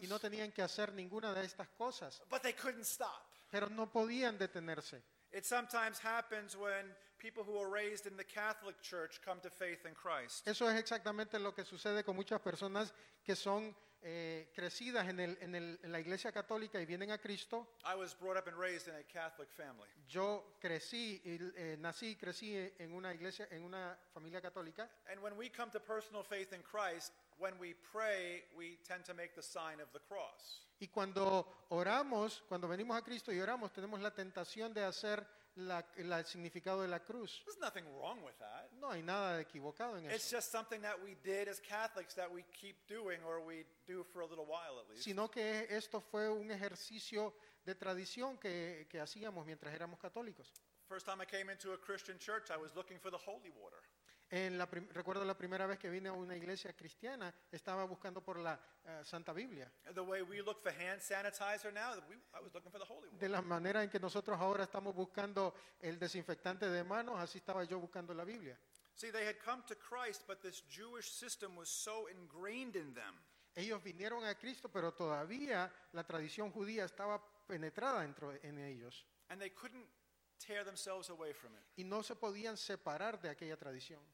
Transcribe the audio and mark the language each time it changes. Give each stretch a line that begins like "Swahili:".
Spanish: Y no tenían que hacer ninguna de estas cosas.
English: But they couldn't stop.
Spanish: Pero no podían detenerse.
English: It sometimes happens when people who are raised in the Catholic Church come to faith in Christ.
Spanish: Eso es exactamente lo que sucede con muchas personas que son crecidas en la Iglesia Católica y vienen a Cristo.
English: I was brought up and raised in a Catholic family.
Spanish: Yo crecí nací y crecí en una iglesia en una familia católica.
English: And when we come to personal faith in Christ, when we pray, we tend to make the sign of the cross.
Spanish: Y cuando oramos, cuando venimos a Cristo y oramos, tenemos la tentación de hacer la el significado de la cruz.
English: There's nothing wrong with that.
Spanish: No hay nada equivocado en eso.
English: It's just something that we did as Catholics that we keep doing, or we do for a little while at least.
Spanish: Sino que esto fue un ejercicio de tradición que hacíamos mientras éramos católicos.
English: First time I came into a Christian church, I was looking for the holy water.
Spanish: Recuerdo la primera vez que vine a una iglesia cristiana, estaba buscando por la Santa Biblia.
English: The way we look for hand sanitizer now, I was looking for the holy water.
Spanish: De la manera en que nosotros ahora estamos buscando el desinfectante de manos, así estaba yo buscando la Biblia.
English: See, they had come to Christ, but this Jewish system was so ingrained in them.
Spanish: Ellos vinieron a Cristo, pero todavía la tradición judía estaba penetrada dentro en ellos.
English: And they couldn't tear themselves away from it.
Spanish: Y no se podían separar de aquella tradición.